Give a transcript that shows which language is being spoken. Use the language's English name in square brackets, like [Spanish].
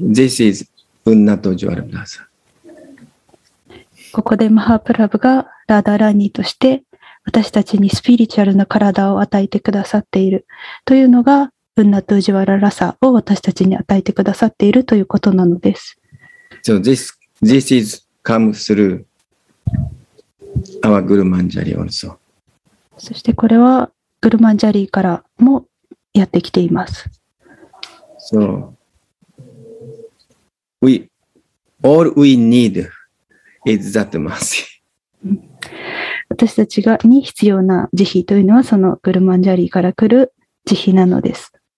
[English] This is Unnato Jwalabhasa. [Japanese] ここでマハプラブがラダラニーとして私たちにスピリチュアルな体を与えてくださっているというのがウンナトゥジワララサを私たちに与えてくださっているということなのです。 [English] So this is come through our Guru Manjari also. [Japanese] そしてこれはグルマンジャリーからもやってきています。 [English] So all we need. Is that mercy? [Japanese] 私たちがに必要な慈悲というのはそのグルマンジャリーから来る慈悲なのです。